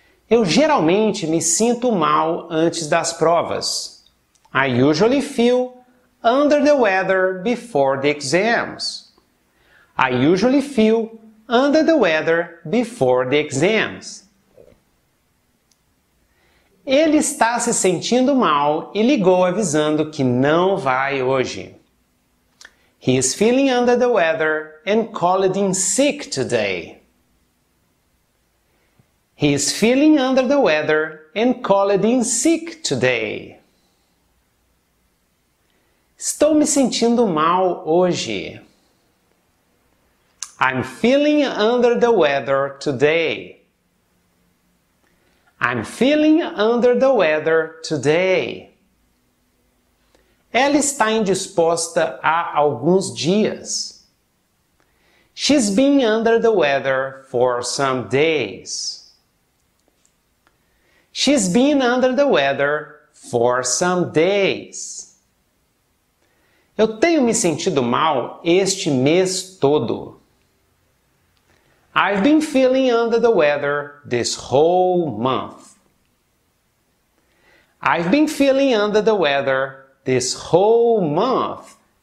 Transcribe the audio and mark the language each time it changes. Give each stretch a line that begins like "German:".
Portuguese: Eu geralmente me sinto mal antes das provas.
English: I usually feel under the weather before the exams. I usually feel under the weather before the exams.
Portuguese: Ele está se sentindo mal e ligou avisando que não vai hoje.
English: He is feeling under the weather and called in sick today. He is feeling under the weather and called in sick today.
Portuguese: Estou me sentindo mal hoje.
English: I'm feeling under the weather today. I'm feeling under the weather today.
Portuguese: Ela está indisposta há alguns dias.
English: She's been under the weather for some days. She's been under the weather for some days.
Portuguese: Eu tenho me sentido mal este mês todo.
English: I've been feeling under the weather this whole month. I've been feeling under the weather this whole month.